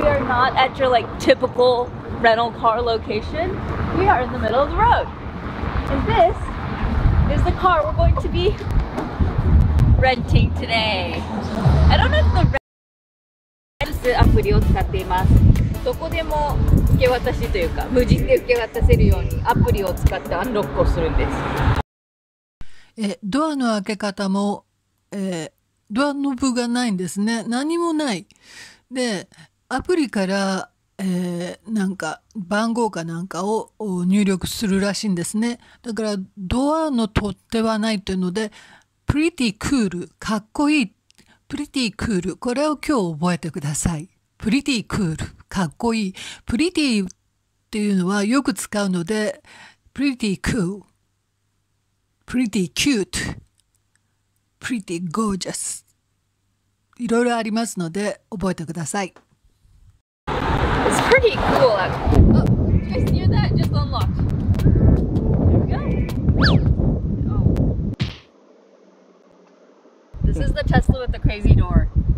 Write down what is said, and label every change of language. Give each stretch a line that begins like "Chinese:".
English: Not at your like typical rental car location. We are in the middle of the road. And this is the car we're going to be renting today. I don't know if the rent
Japanese: アプリを使っています。どこでも受け渡しというか、無人で受け渡せるようにアプリを使ってアンロックをするんです。ドアの開け方も、ドアノブがないんですね。何もない。で、アプリから、なんか番号かなんかを入力するらしいんですね。だからドアの取っ手はないというので、プリティクール、かっこいい、プリティクール、これを今日覚えてください。プリティクール、かっこいい。プリティっていうのはよく使うので、プリティクール、プリティキュート、プリティゴージャス、いろいろありますので覚えてください。
English: It's pretty cool. Oh, did you guys hear that? Just unlocked. There we go. Oh. This is the Tesla with the crazy door.